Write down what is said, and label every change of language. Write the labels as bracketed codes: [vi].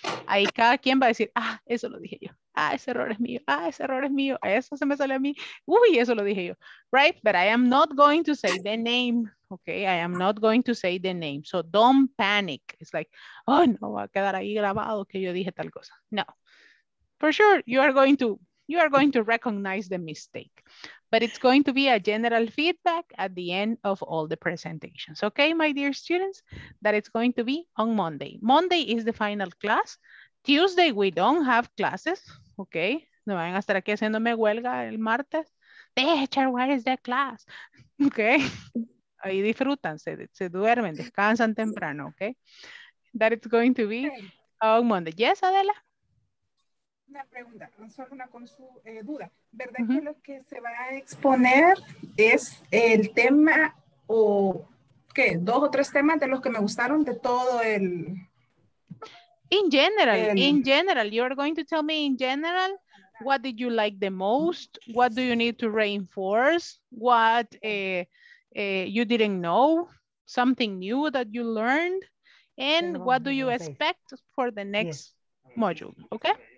[es] Ahí cada quien va a decir, ah, eso lo dije yo. Ah, ese error es mío. Ah, ese error es mío. Eso se me sale a mí. Uy, eso lo dije yo. Right? [en] But I am not going to say the name. Okay, I am not going to say the name. So don't panic. It's like, oh, no, [es] va a quedar ahí grabado que yo dije tal cosa. No. [en] For sure, you are going to recognize the mistake, but it's going to be a general feedback at the end of all the presentations. Okay, my dear students, that it's going to be on Monday. Monday is the final class. Tuesday, we don't have classes. [es] Okay, no van a estar aquí haciéndome huelga el martes. [en] Teacher, where is the class? [es] Okay, ahí disfrutan, se duermen, descansan temprano. [en] Okay, that it's going to be on Monday. Yes, Adela? [es] Una pregunta, solo una con su duda. ¿Verdad uh-huh. que lo que se va a exponer es el tema o qué? Dos o tres temas de los que me gustaron de todo el... [en] In general, you're going to tell me in general, what did you like the most? What do you need to reinforce? What you didn't know? Something new that you learned? And what do you expect for the next yes. module? Okay.